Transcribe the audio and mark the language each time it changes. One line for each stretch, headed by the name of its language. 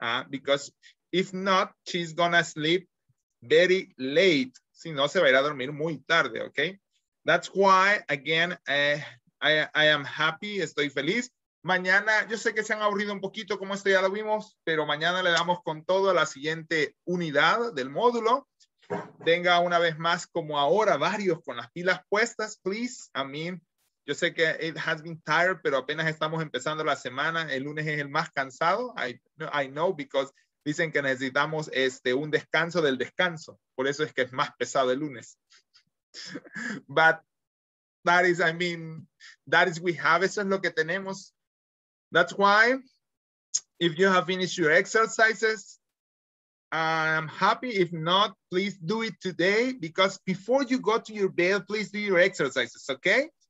English: Because if not, she's gonna sleep very late.
Spanish: Si no, se va a ir a dormir muy tarde, okay?
English: That's why, again, I am happy.
Spanish: Estoy feliz. Mañana, yo sé que se han aburrido un poquito como esto ya lo vimos, pero mañana le damos con todo a la siguiente unidad del módulo. Tenga una vez más como ahora varios con las pilas puestas, please.
English: I mean,
Spanish: yo sé que
English: it has been tired,
Spanish: pero apenas estamos empezando la semana. El lunes es el más cansado.
English: I know because
Spanish: dicen que necesitamos un descanso del descanso. Por eso es que es más pesado el lunes.
English: But that is, I mean, that is we have.
Spanish: Eso es lo que tenemos.
English: That's why, if you have finished your exercises, I'm happy. If not, please do it today, because before you go to your bed, please do your exercises, okay?